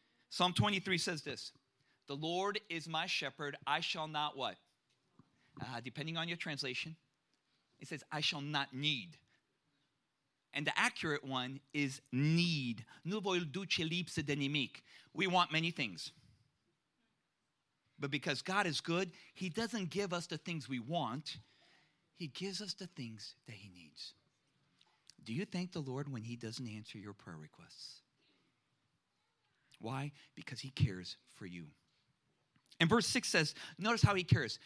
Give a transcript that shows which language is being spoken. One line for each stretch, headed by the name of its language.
English: Psalm 23 says this. The Lord is my shepherd. I shall not what? Depending on your translation. It says, I shall not need And the accurate one is need.
Romanian: Nu voi duce lipsă de nimic.
English: We want many things. But because God is good, he doesn't give us the things we want. He gives us the things that he needs. Do you thank the Lord when he doesn't answer your prayer requests? Why? Because he cares for you. And verse 6 says, notice how he cares.